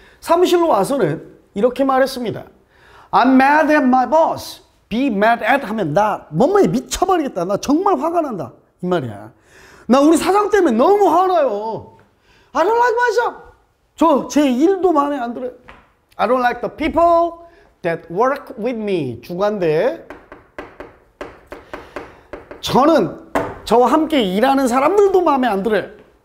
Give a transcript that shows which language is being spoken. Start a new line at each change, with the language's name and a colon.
Korean: 사무실로 와서는 이렇게 말했습니다.
English: I'm mad at my boss.
Korean: Be mad at 하면 나 몸에 미쳐버리겠다. 나 정말 화가 난다. 이 말이야. 나 우리 사장 때문에 너무 화나요.
English: I don't like my job.
Korean: 저 제 일도 마음에 안 들어요.
English: I don't like the people that work with me.
Korean: 주관대. 저는 저와 함께 일하는 사람들도 마음에 안 들어요.